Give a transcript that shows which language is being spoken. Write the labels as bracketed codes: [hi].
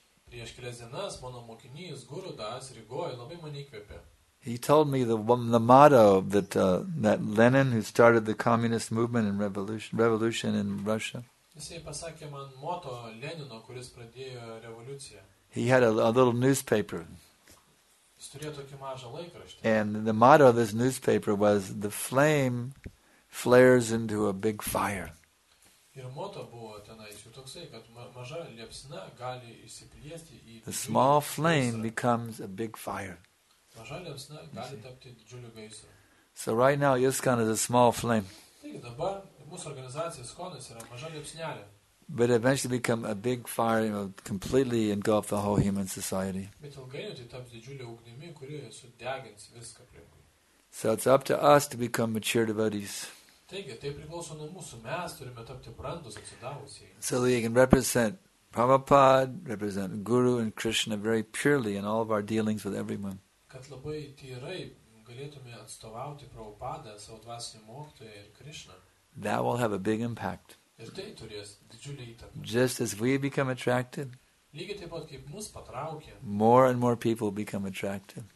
[lt] Prieš kelias dienas mano mokinys Gurudas Rygoje labai mane įkvėpė. [en] He told me the motto that that Lenin, who started the communist movement and revolution in Russia. [lt] Jisai pasakė man moto Lenino, kuris pradėjo revoliuciją. [en] He had a little newspaper. [lt] Jis turėjo tokį mažą laikraštį. [en] And the motto of this newspaper was "The flame flares into a big fire." [lt] Ir moto buvo tenai, jis toksai, kad maža liepsna gali išsiplėsti į. [en] The small flame becomes a big fire. [lt] Maža liepsna gali tapti didžiuliu gaisru. [en] So right now ISKCON is a small flame. [lt] Taigi dabar mūsų organizacijos konas yra maža liepsnelė. [en] But it eventually become a big fire, you know, completely engulf the whole human society. [lt] Bet ilgainiui tai taps didžiulė ugnimi, kuri sudegins viską aplinkui. [en] So it's up to us to become mature devotees. [lt] Taigi, tai priklauso nuo mūsų. Mes turime tapti brandus, atsidavusiai. [en] So that we can represent Prabhupada, represent Guru and Krishna very purely in all of our dealings with everyone. [lt] Kad labai tyrai galėtume atstovauti Prabhupada, savo dvasinį mokytoją ir Krishna. [en] That will have a big impact. [lt] Ir tai turės didžiulį įtaką. [en] Just as we become attracted, [lt] lygiai taip pat kaip mus patraukė, [en] more and more people become attracted.